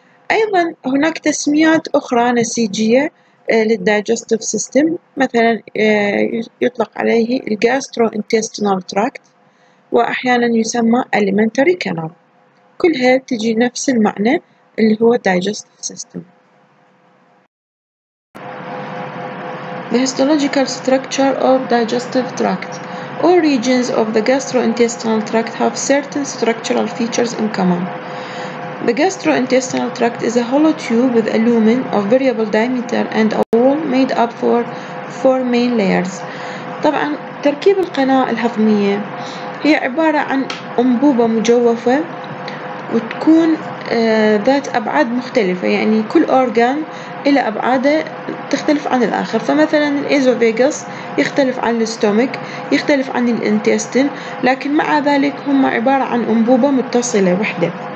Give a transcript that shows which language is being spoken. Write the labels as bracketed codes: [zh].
[ar] أيضا هناك تسميات أخرى نسيجية للدايجستيف سيستم، مثلا يطلق عليه الجاسترو انتستينال تراكت وأحيانا يسمى ألمنتري كانال، كلها تجي نفس المعنى اللي هو digestive system. [en] The histological structure of digestive tract. All regions of the gastrointestinal tract have certain structural features in common. The gastrointestinal tract is a hollow tube with a lumen of variable diameter and a wall made up for four main layers. [ar] طبعا تركيب القناة الهضمية هي عبارة عن أنبوبة مجوفة وتكون ذات أبعاد مختلفة، يعني كل أورغان إلى أبعاده تختلف عن الآخر. فمثلاً الإيزوفيغس يختلف عن الستومك، يختلف عن الانتستين، لكن مع ذلك هم عبارة عن أنبوبة متصلة وحدة.